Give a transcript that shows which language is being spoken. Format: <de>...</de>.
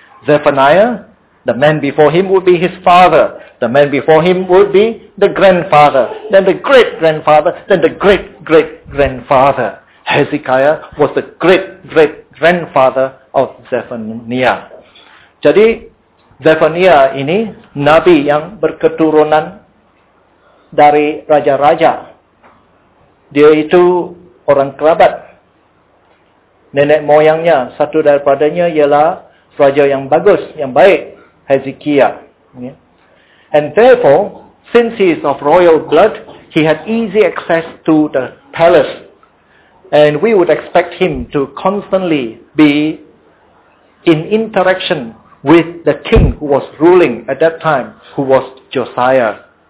<en>Zephaniah, the man before him would be his father. The man before him would be the grandfather. Then the great-grandfather. Then the great-great-grandfather. Hezekiah was the great-great-grandfather of Zephaniah.</en> <ms>Jadi, Zephaniah ini nabi yang berketurunan dari raja-raja. Dia itu orang kerabat. Nenek moyangnya, satu daripadanya ialah raja yang bagus, yang baik, Hezekiah.</ms> <en>And therefore, since he is of royal blood, he had easy access to the palace. And we would expect him to constantly be in interaction with the king who was ruling at that time, who was Josiah.</en>